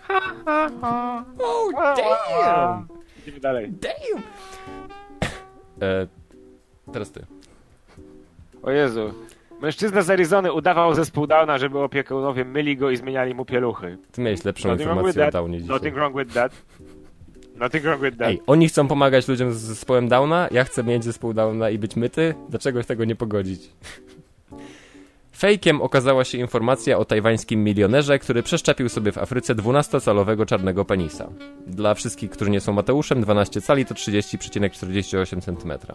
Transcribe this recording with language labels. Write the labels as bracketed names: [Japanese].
[English] Ha, ha, ha. Oh, damn! [Polish] Idziemy dalej. [English] Damn! [Polish] Teraz ty. O Jezu. Mężczyzna z Arizony udawał zespół Downa, żeby opiekunowie myli go i zmieniali mu pieluchy. Ty miałeś lepszą informację o Downie dzisiaj. [English] Nothing wrong with that. Nothing wrong with that. [Polish] Ej, oni chcą pomagać ludziom z zespołem Downa, ja chcę mieć zespół Downa i być myty. Dlaczego tego nie pogodzić? Fejkiem okazała się informacja o tajwańskim milionerze, który przeszczepił sobie w Afryce 12-calowego czarnego penisa. Dla wszystkich, którzy nie są Mateuszem, 12 cali to 30,48 cm.